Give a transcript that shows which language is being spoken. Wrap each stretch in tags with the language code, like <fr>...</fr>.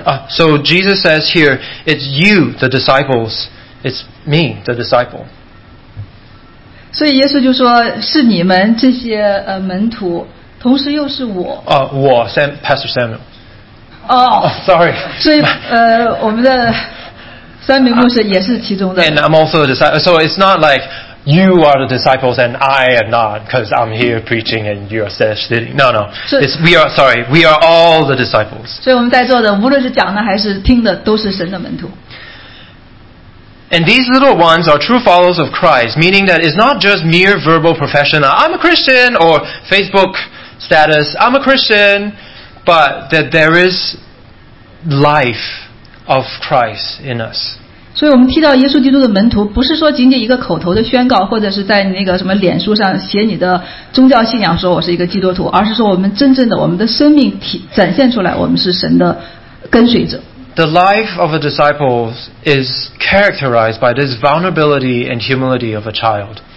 <en>So Jesus says here, it's you, the disciples. It's me, the disciple.</en> <zh>所以耶稣就说是你们这些门徒，同时又是我。我 Pastor Samuel.</zh> <en>Sorry.</en> <zh>所以我们的三名牧师也是其中的。</zh> <en>And I'm also a disciple. So it's not like you are the disciples and I am not because I'm here preaching and you are sitting. No. We are all the disciples.</en> <zh>所以我们在座的，无论是讲的还是听的，都是神的门徒。</zh> <en>And these little ones are true followers of Christ, meaning that it's not just mere verbal profession. I'm a Christian or Facebook status. I'm a Christian, but that there is life of Christ in us.</en> <zh>所以我们提到耶稣基督的门徒，不是说仅仅一个口头的宣告，或者是在那个什么脸书上写你的宗教信仰，说我是一个基督徒，而是说我们真正的我们的生命展现出来，我们是神的跟随者。</zh> <en>The life of a disciple is characterized by this vulnerability and humility of a child.</en>